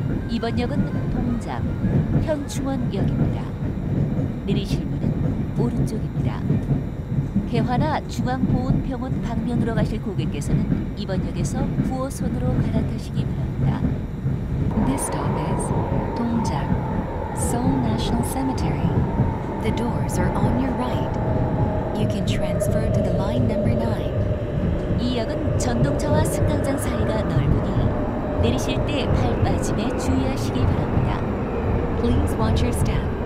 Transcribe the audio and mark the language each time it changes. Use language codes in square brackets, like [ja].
[ko] 1번역은 동작, 현충원역입니다. 내리실 문은 오른쪽입니다. 개화나 중앙보훈병원 방면으로 가실 고객께서는 2번역에서 9호선으로 갈아타시기 바랍니다. [en] This stop is 동작, Seoul National Cemetery. The doors are on your right. You can transfer to the line number 9. [ko] 이 역은 전동차와 승강장 사이가 넓으니 내리실 때 발 빠짐에 주의하시기 바랍니다. [en] Please watch your step.